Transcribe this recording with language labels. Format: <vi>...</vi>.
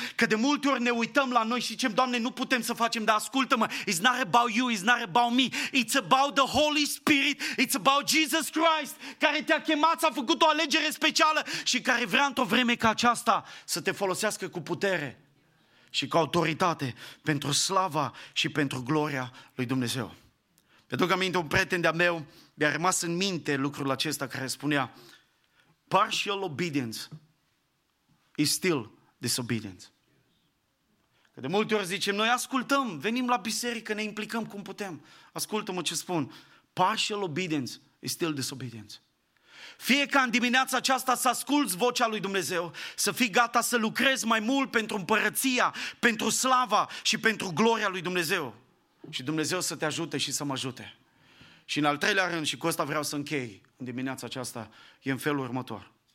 <ro>Că de multe ori ne uităm la noi și zicem, Doamne, nu putem să facem, dar ascultă-mă,</ro> <en>it's not about you, it's not about me, it's about the Holy Spirit, it's about Jesus Christ,</en> <ro>care te-a chemat, a făcut o alegere specială și care vrea într-o vreme ca aceasta să te folosească cu putere și cu autoritate pentru slava și pentru gloria lui Dumnezeu. Mi-aduc aminte un prieten de-a meu, mi-a rămas în minte lucrul acesta care spunea,</ro> <en>partial obedience is still disobedience.</en> <ro>Că de multe ori zicem, noi ascultăm, venim la biserică, ne implicăm cum putem. Ascultă-mă ce spun,</ro> <en>partial obedience is still disobedience.</en> <ro>Fie ca în dimineața aceasta să asculți vocea lui Dumnezeu, să fii gata să lucrezi mai mult pentru împărăția, pentru slava și pentru gloria lui Dumnezeu. Și Dumnezeu să te ajute și să mă ajute. Și în al treilea rând, și cu asta vreau să închei în dimineața aceasta, e în felul următor.</ro>